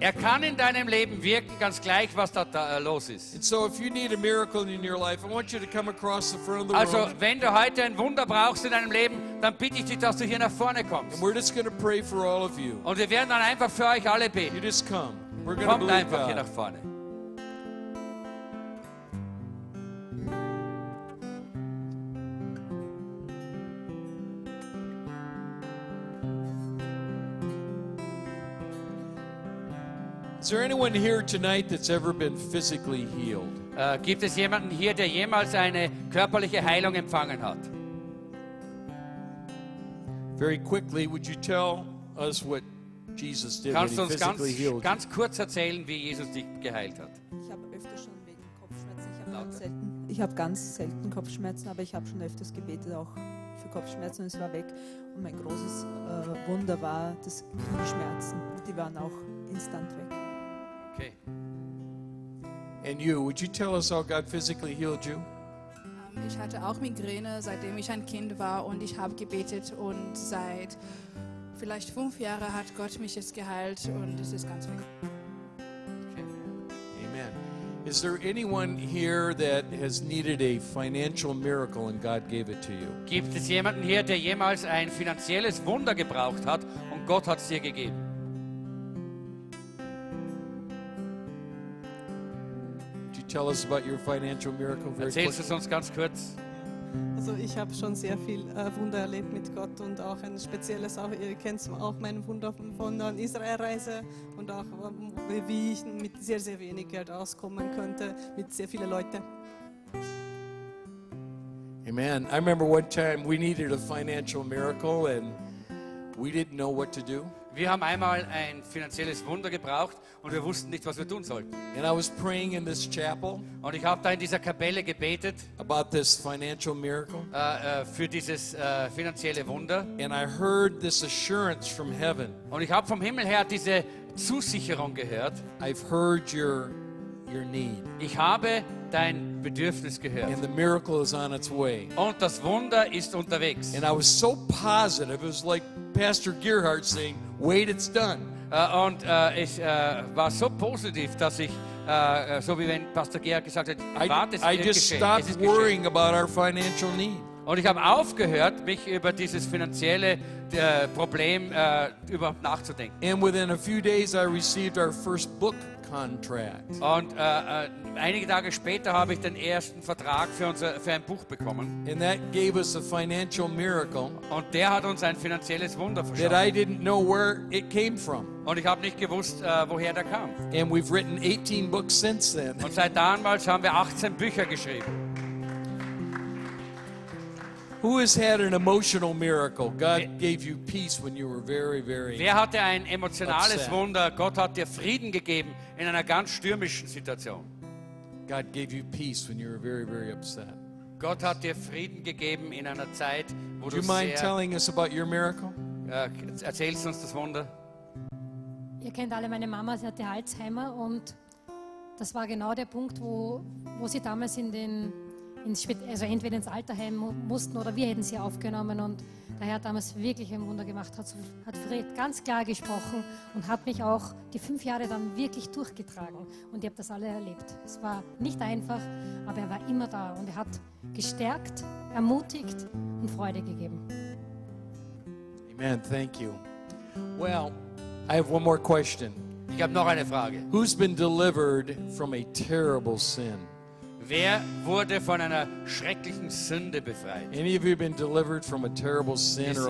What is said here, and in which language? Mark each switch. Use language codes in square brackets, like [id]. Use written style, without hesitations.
[en] through. [de] Er kann in deinem Leben wirken, ganz gleich, was da los ist. [en] And so if you need a miracle in your life, I want you to come across the front of the room. [de] Also, wenn du heute ein Wunder brauchst in deinem Leben, dann bitte ich dich, dass du hier nach vorne kommst. [en] And we're just going to pray for all of you. [de] Und wir werden dann einfach für euch alle beten. [en] You just come. We're going to move [de] einfach hier nach vorne. [en] Is there anyone here tonight that's ever been physically healed? [de] Gibt es jemanden hier, der jemals eine körperliche Heilung empfangen hat? [en] Very quickly, would you tell us what Jesus did when he physically healed? [de] Ganz kurz erzählen, wie Jesus dich geheilt hat. Ich habe öfter schon wegen Kopfschmerzen. Ich habe ganz selten Kopfschmerzen, aber ich habe schon öfters gebetet auch für Kopfschmerzen und es war weg. Und mein großes Wunder war das Knieschmerzen. Die waren auch instant weg. Okay. [en] And you, would you tell us how God physically healed you? [de] Ich hatte auch Migräne, seitdem ich ein Kind war, und ich habe gebetet, und seit vielleicht 5 Jahren hat Gott mich jetzt geheilt, und es ist ganz weg. Okay. Amen. [en] Is there anyone here that has needed a financial miracle and God gave it to you? [de] Gibt es jemanden hier, der jemals ein finanzielles Wunder gebraucht hat und Gott hat es dir gegeben? [en] Tell us about your financial miracle. [de] Erzählst du es uns ganz kurz? Also ich habe schon sehr viel Wunder erlebt mit Gott und auch ein spezielles, auch ihr kennt auch mein Wunder von der Israel-Reise und auch wie ich mit sehr, sehr wenig Geld auskommen könnte mit sehr vielen Leuten. Amen. [en] I remember one time we needed a financial miracle and we didn't know what to do. [de] Wir haben einmal ein finanzielles Wunder gebraucht und wir wussten nicht, was wir tun sollten. [en] And I was praying in this chapel [de] und ich habe da in dieser Kapelle gebetet [en] about this financial miracle. [de] Für dieses finanzielle Wunder. [en] And I heard this assurance from heaven. [de] Und ich habe vom Himmel her diese Zusicherung gehört. [en] I've heard your need. [de] Ich habe dein Bedürfnis gehört. [en] And the miracle is on its way. [de] Und das Wunder ist unterwegs. [en] And I was so positive. It was like Pastor Gerhard saying, "Wait, it's done." [de] Und es war so positiv, dass ich, so wie wenn Pastor Georg gesagt hat, warte, [en] I just stopped worrying about our financial need. [de] Und ich habe aufgehört, mich über dieses finanzielle Problem überhaupt nachzudenken. [en] And within a few days I received our first book contract. [de] Und einige Tage später habe ich den ersten Vertrag für unser für ein Buch bekommen. [en] And that gave us a financial miracle. [de] Und der hat uns ein finanzielles Wunder verschafft. [en] That I didn't know where it came from. [de] Und ich habe nicht gewusst, woher der kam. [en] And we've written 18 books since then. [de] Und seit damals haben wir 18 Bücher geschrieben. [en] Who has had an emotional miracle? God gave you peace when you were very, very upset. [de] Wer hatte ein emotionales Wunder? Gott hat dir Frieden gegeben in einer ganz stürmischen Situation. [en] God gave you peace when you were very, very upset. [de] Gott hat dir Frieden gegeben in einer Zeit, wo du sehr. [en] Do you mind telling us about your miracle? [de] Erzählst uns das Wunder. Ihr kennt alle meine Mama, sie hatte Alzheimer und das war genau der Punkt, wo sie damals in den also entweder ins Alterheim mussten oder wir hätten sie aufgenommen und der Herr hat damals wirklich ein Wunder gemacht, hat Fred ganz klar gesprochen und hat mich auch die 5 Jahre dann wirklich durchgetragen und ich habe das alle erlebt. Es war nicht einfach, aber er war immer da und er hat gestärkt, ermutigt und Freude gegeben. [en] Amen, thank you. Well, I have one more question. [de] Ich habe noch eine Frage. [en] Who's been delivered from a terrible sin? [de] Wer wurde von einer schrecklichen Sünde befreit? [en] Any of you been delivered from a terrible sin or a bondage?